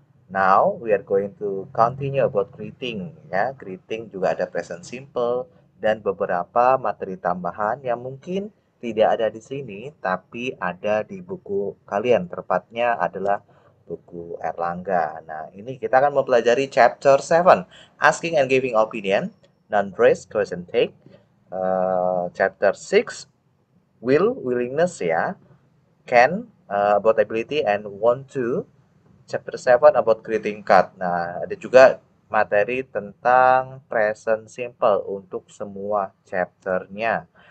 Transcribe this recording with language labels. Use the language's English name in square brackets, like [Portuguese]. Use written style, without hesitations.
[English] Now we are going to continue about greeting ya. [Indonesian] Greeting juga ada present simple dan beberapa materi tambahan yang mungkin tidak ada di sini tapi ada di buku kalian, tepatnya adalah buku Erlangga. Nah, ini kita akan mempelajari chapter 7, [English] asking and giving opinion, [Indonesian] non-phrase, question take. [English] Chapter 6, will, willingness ya, can, about ability and want to. Chapter 7 about greeting card. [Indonesian] Nah, ada juga materi tentang present simple untuk semua chapternya.